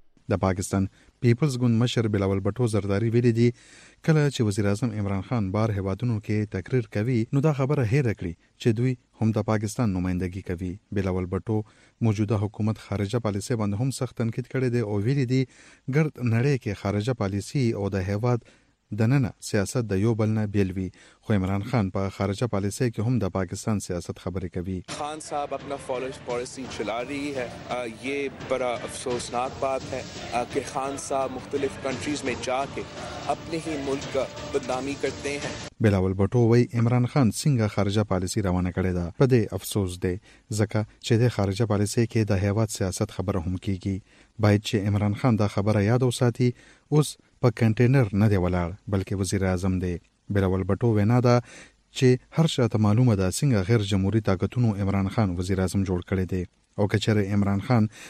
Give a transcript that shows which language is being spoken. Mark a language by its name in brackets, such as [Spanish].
[Pashto] د پاکستان پیپلز ګوند مشر بلاول بټو زرداری ویلي دي کله چې وزیر اعظم عمران خان بار هیوادونو کې تقریر کوي نو دا خبره هېر کړي چې دوی هم د پاکستان نمائندګي کوي بلاول بټو موجوده حکومت خارجه پالیسي باندې هم سخت تنقید کړی دی او ویلي دي ګرد نړۍ کې خارجه پالیسي او د هیواد دننه سیاست د یو بل نه بیل وی خو عمران خان په خارجه پالیسی کې هم د پاکستان سیاست خبرې کوي [Urdu] خان صاحب خپل فالوئر پالیسی چلا رہی ہے یہ بڑا افسوسناک بات ہے کہ خان صاحب مختلف کنٹریز میں جا کے اپنے ہی ملک کا بدنامی کرتے ہیں [Pashto] بلاول بٹو وی عمران خان څنګه خارجه پالیسی روانه کړی دا په دې افسوس دی ځکه چې د خارجه پالیسی کې د هیواد سیاست خبره هم کیږي باید چې عمران خان دا خبره یاد وساتي اوس په کنټینر نه دی ولاړ بلکې وزیر اعظم دی بلاول بټو وینا ده چې هر شاته معلومه ده څنګه غیر جمهوریت طاقتونو عمران خان وزیر اعظم جوړ کړی دی او کچر عمران خان